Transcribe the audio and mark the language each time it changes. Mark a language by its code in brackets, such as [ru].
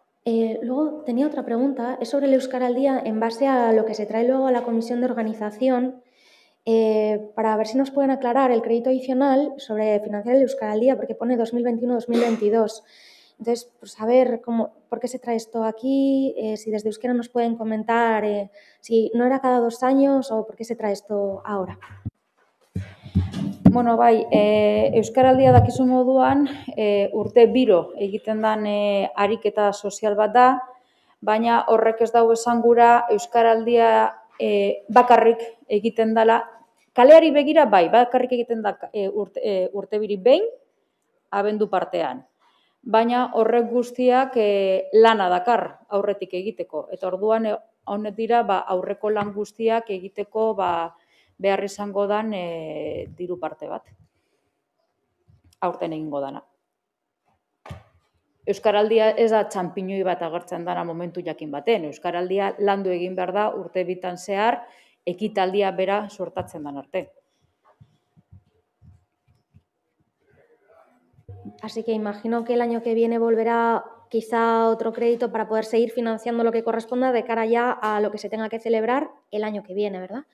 [es] Luego tenía otra pregunta, es sobre el Euskara al Día en base a lo que se trae luego a la comisión de organización, para ver si nos pueden aclarar el crédito adicional sobre financiar el Euskara al Día, porque pone 2021-2022. Entonces, pues a ver cómo, por qué se trae esto aquí, si desde Euskera nos pueden comentar si no era cada dos años o por qué se trae esto ahora. [eu] Bueno, bai, Euskaraldia dakizu moduan urte biro egiten den ariketa sozial bat da, baina horrek ez dago esan gura Euskaraldia bakarrik egiten dela. Kaleari begira, bai, bakarrik egiten da urte biri behin, abendu partean. Baina horrek guztiak lana dakar aurretik egiteko. Eta orduan honet dira ba, aurreko lan guztiak egiteko ba, behar izango dan diru parte bat. Aurten egingo dana. Euskaraldia ez da txampiñoi bat agertzen dana momentu jakin baten. Euskaraldia landu egin behar da urte bitan zehar ekitaldia bera sortatzen dan arte. [es] Así que imagino que el año que viene volverá quizá otro crédito para poder seguir financiando lo que corresponda de cara ya a lo que se tenga que celebrar el año que viene, ¿verdad?